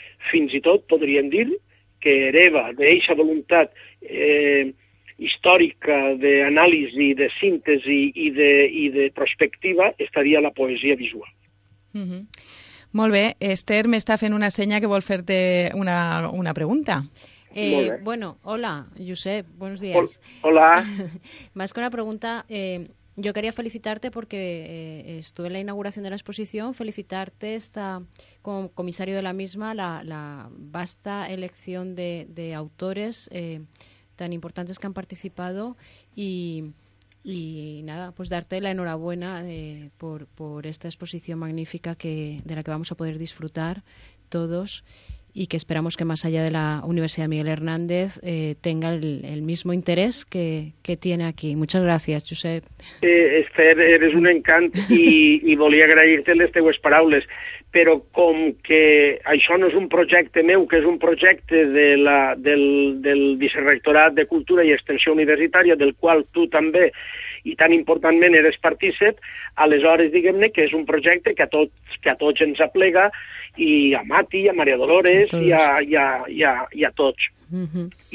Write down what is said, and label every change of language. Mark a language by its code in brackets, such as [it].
[ca] Fins i tot podríem dir que hereva d'eixa voluntat històrica d'anàlisi, de síntesi i de prospectiva estaria la poesia visual. Molt bé, Esther m'està fent una senya que vol fer-te una pregunta. [es] Bueno, hola, Josep, buenos días. Hola. Más que una pregunta, yo quería felicitarte porque estuve en la inauguración de la exposición, felicitarte como comisario de la misma, la vasta elección de autores tan importantes que han participado y nada, pues darte la enhorabuena por esta exposición magnífica de la que vamos a poder disfrutar todos. y que esperamos que más allá de la Universidad Miguel Hernández tenga el mismo interés que tiene aquí. Muchas gracias, Josep. [ca] Esther, eres un encant i volia agrair-te les teues paraules, però com que això no és un projecte meu, que és un projecte del Vicerrectorat de Cultura i Extensió Universitària, del qual tu també i tan importantment eres partícip, aleshores diguem-ne que és un projecte que a tots ens aplega, i a Mati, a Maria Dolores, i a tots. Uh-huh.